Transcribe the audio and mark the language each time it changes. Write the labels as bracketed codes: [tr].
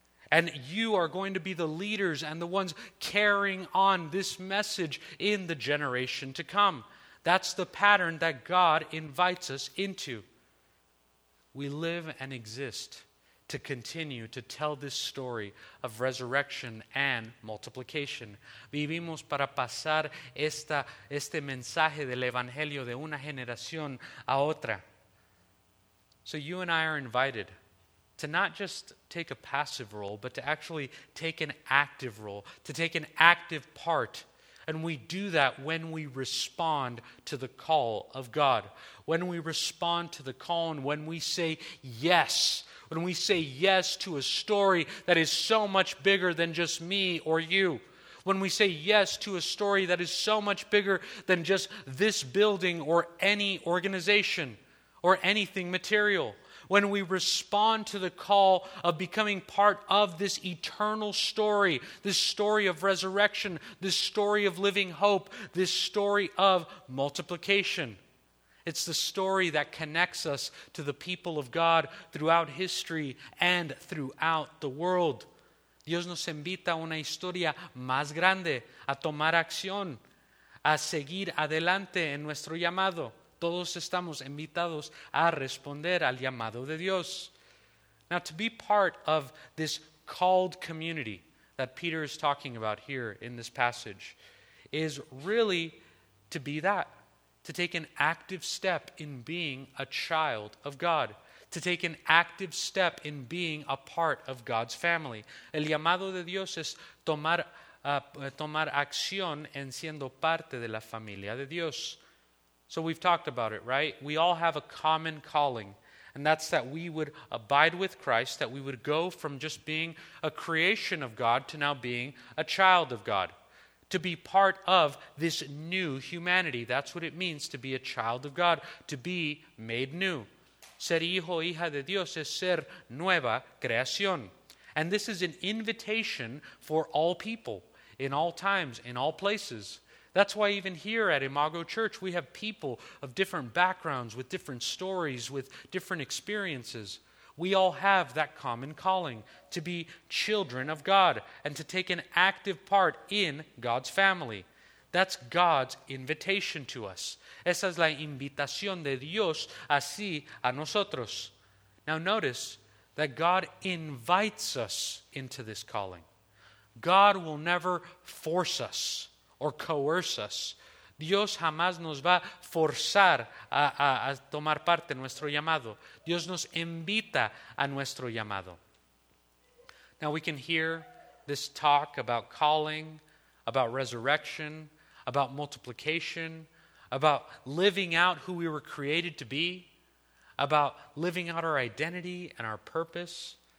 [en] And you are going to be the leaders and the ones carrying on this message in the generation to come. That's the pattern that God invites us into. We live and exist to continue to tell this story of resurrection and multiplication. [es] Vivimos para pasar este mensaje del Evangelio de una generación a otra. [en] So you and I are invited to not just take a passive role, but to actually take an active role, to take an active part. And we do that when we respond to the call of God. When we respond to the call and when we say yes. When we say yes to a story that is so much bigger than just me or you. When we say yes to a story that is so much bigger than just this building or any organization or anything material. When we respond to the call of becoming part of this eternal story, this story of resurrection, this story of living hope, this story of multiplication. It's the story that connects us to the people of God throughout history and throughout the world. [es] Dios nos invita a una historia más grande, a tomar acción, a seguir adelante en nuestro llamado. Todos estamos invitados a responder al llamado de Dios. [en] Now, to be part of this called community that Peter is talking about here in this passage is really to be that, to take an active step in being a child of God, to take an active step in being a part of God's family. [es] El llamado de Dios es tomar acción en siendo parte de la familia de Dios. [en] So we've talked about it, right? We all have a common calling, and that's that we would abide with Christ, that we would go from just being a creation of God to now being a child of God, to be part of this new humanity. That's what it means to be a child of God, to be made new. [es] Ser hijo o hija de Dios es ser nueva creación. [en] And this is an invitation for all people, in all times, in all places. That's why even here at Imago Church, we have people of different backgrounds, with different stories, with different experiences. We all have that common calling, to be children of God and to take an active part in God's family. That's God's invitation to us. [es] Esa es la invitación de Dios así a nosotros. [en] Now notice that God invites us into this calling. God will never force us or coerce us. [es] Dios jamás nos va a forzar a tomar parte en nuestro llamado. Dios nos invita a nuestro llamado. [en] Now we can hear this talk about calling, about resurrection, about multiplication, about living out who we were created to be, about living out our identity and our purpose.